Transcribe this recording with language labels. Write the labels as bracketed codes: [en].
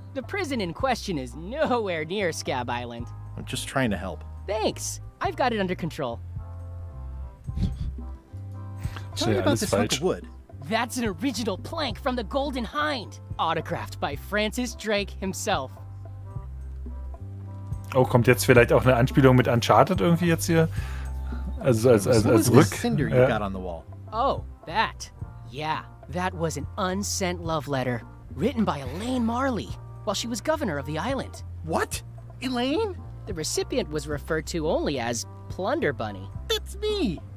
[en] The prison in question is nowhere near Scab Island. I'm just trying to help. Thanks. I've got it under control. Tell me about this hunk of wood. That's an original plank from the Golden Hind. Autographed by Francis Drake himself. [de] Oh, kommt jetzt vielleicht auch eine Anspielung mit Uncharted irgendwie jetzt hier? Also Rück? [en] What was this cinder you got on the wall? Oh, that. Yeah, that was an unsent love letter. Written by Elaine Marley while she was governor of the island. What? Elaine? The recipient was referred to only as Plunder Bunny. That's me!